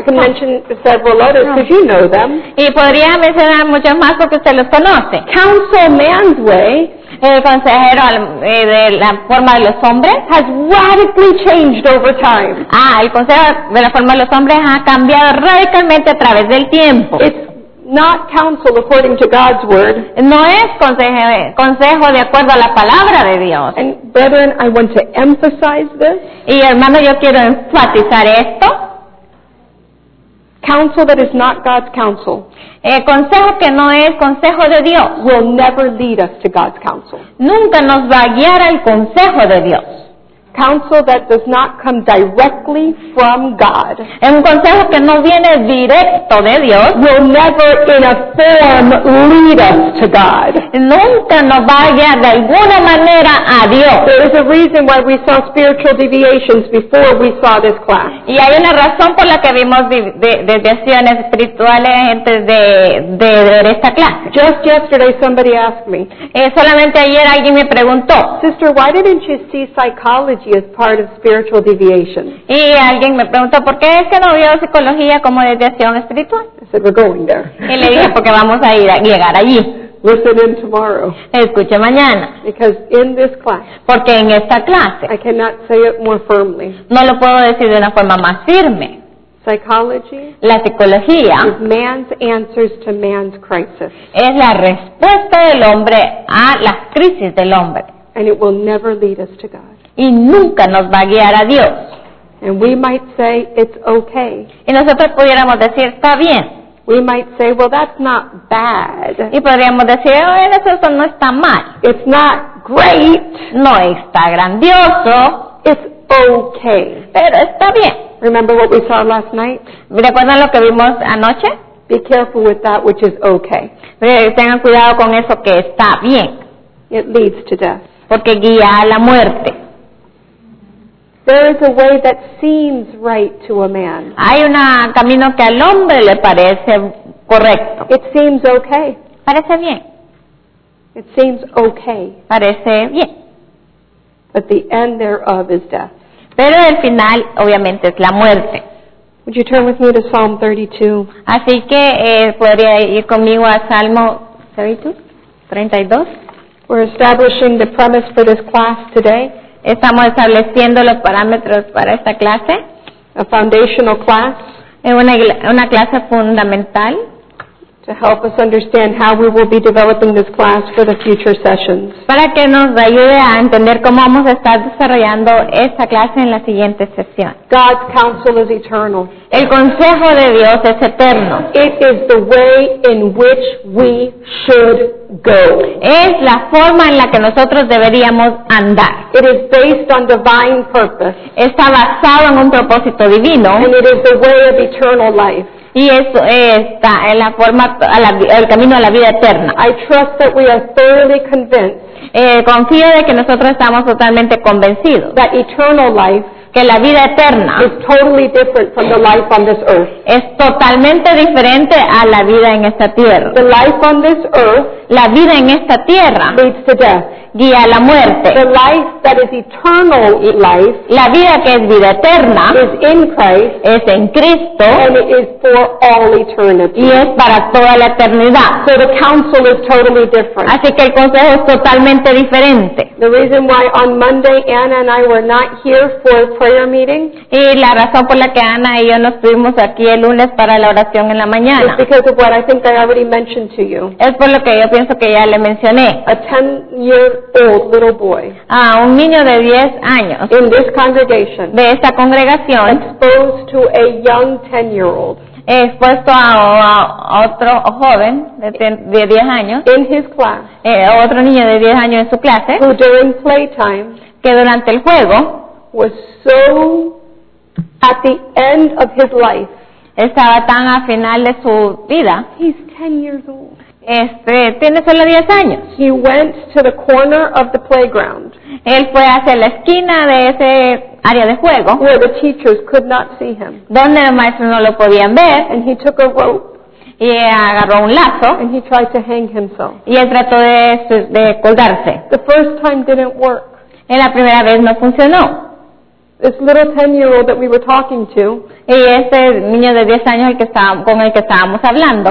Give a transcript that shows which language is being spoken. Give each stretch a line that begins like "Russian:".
English: I can mention several others because you know them.
Spanish: Y podría mencionar muchos más porque usted los conoce.
English: Counsel man's way.
Spanish: El consejero de la forma de los hombres
English: has radically changed over time.
Spanish: Ah, el consejo de la forma de los hombres ha cambiado radicalmente a través del tiempo.
English: Not counsel according to God's word.
Spanish: No es consejo de acuerdo a la palabra de Dios.
English: And brethren, I want to emphasize this.
Spanish: Y hermano, yo quiero enfatizar esto.
English: Counsel that is not God's counsel.
Spanish: Consejo que no es consejo de Dios.
English: Will never lead us to God's counsel.
Spanish: Nunca nos va a guiar al consejo de Dios.
English: Counsel that does not come directly from God.
Spanish: Un consejo que no viene directo de Dios.
English: Will never in a form lead us to God.
Spanish: Nunca nos va a guiar de alguna manera a Dios.
English: There is a reason why we saw spiritual deviations before we saw this class.
Spanish: Y hay una razón por la que vimos desviaciones espirituales antes de esta clase.
English: Just yesterday somebody asked me.
Spanish: Solamente ayer alguien me preguntó.
English: Sister, why didn't you see psychology? Is part of spiritual deviation.
Spanish: Y alguien me preguntó, ¿por qué es que no vio psicología como desviación espiritual?
English: I said, we're going there.
Spanish: Y le dije, porque vamos a ir a llegar allí.
English: Listen in tomorrow.
Spanish: Escuche mañana.
English: Because in this class.
Spanish: Porque en esta clase.
English: I cannot say it more firmly.
Spanish: No lo puedo decir de una forma más firme.
English: Psychology.
Spanish: La psicología.
English: Is man's answers to man's crisis.
Spanish: Es la respuesta del hombre a las crisis del hombre.
English: And it will never lead us to God.
Spanish: Y nunca nos va a guiar a Dios.
English: And we might say, it's okay.
Spanish: Y nosotros pudiéramos decir, está bien.
English: We might say, well, that's not bad.
Spanish: Y podríamos decir, oh, eso no está mal.
English: It's not great.
Spanish: No está grandioso.
English: It's okay.
Spanish: Pero está bien.
English: Remember what we saw last night?
Spanish: ¿Recuerdan lo que vimos anoche?
English: Be careful with that which is okay.
Spanish: Tengan cuidado con eso que está bien.
English: It leads to death.
Spanish: Porque guía a la muerte.
English: There is a way that seems right to a man.
Spanish: Hay un camino que al hombre le parece correcto.
English: It seems okay.
Spanish: Parece bien.
English: It seems okay.
Spanish: Parece bien.
English: But the end thereof is death.
Spanish: Pero el final, obviamente, es la muerte.
English: Would you turn with me to Psalm 32?
Spanish: Así que podría ir conmigo a Salmo 32.
English: We're establishing the premise for this class today.
Spanish: Estamos estableciendo los parámetros para esta clase.
English: A foundational class.
Spanish: Una clase fundamental.
English: To help us understand how we will be developing this class for the future sessions.
Spanish: Para que nos ayude a entender cómo vamos a estar desarrollando esta clase en la siguiente sesión.
English: God's counsel is eternal.
Spanish: El consejo de Dios es eterno.
English: It is the way in which we should go.
Spanish: Es la forma en la que nosotros deberíamos andar.
English: It is based on divine purpose.
Spanish: Está basado en un propósito divino.
English: And it is the way of eternal life.
Spanish: Y eso está en la forma, el camino a la vida eterna.
English: I trust that we are thoroughly convinced.
Spanish: Confío de que nosotros estamos totalmente convencidos.
English: That eternal life.
Spanish: Que la vida eterna
English: is totally different from the life on this earth.
Spanish: Es totalmente diferente a la vida en esta tierra.
English: The life on this earth,
Spanish: la vida en esta tierra,
English: leads to death.
Spanish: guía a la muerte.
English: The life that is eternal life,
Spanish: la vida que es vida eterna,
English: is in Christ,
Spanish: es en Cristo,
English: and it is for all eternity.
Spanish: Y es para toda la eternidad.
English: So the counsel is totally different.
Spanish: Así que el consejo es totalmente diferente.
English: The reason why on Monday Anna and I were not here for a prayer meeting,
Spanish: y la razón por la que Ana y yo no estuvimos aquí el lunes para la oración en la mañana,
English: is because of what I think I already mentioned to you.
Spanish: Es por lo que yo pienso que ya le mencioné.
English: A 10-year-old little boy.
Spanish: Un niño de 10 años.
English: In this congregation.
Spanish: De esta congregación.
English: Exposed to a young 10-year-old.
Spanish: Expuesto a otro joven de 10 años.
English: In his class.
Spanish: Otro niño de 10 años en su clase.
English: Who during playtime.
Spanish: Que durante el juego.
English: Was so at the end of his life.
Spanish: Estaba tan al final de su vida.
English: He's 10 years old.
Spanish: Tiene solo 10 años.
English: He went to the corner of the playground.
Spanish: Él fue hacia la esquina de ese área de juego.
English: Where the teachers could not see him.
Spanish: Donde los maestros no lo podían ver.
English: And he took a rope.
Spanish: Y agarró un lazo.
English: And he tried to hang himself.
Spanish: Y él trató de colgarse.
English: The first time didn't work.
Spanish: En la primera vez no funcionó.
English: This little 10-year-old that we were talking to.
Spanish: Y ese niño de 10 años con el que estábamos hablando.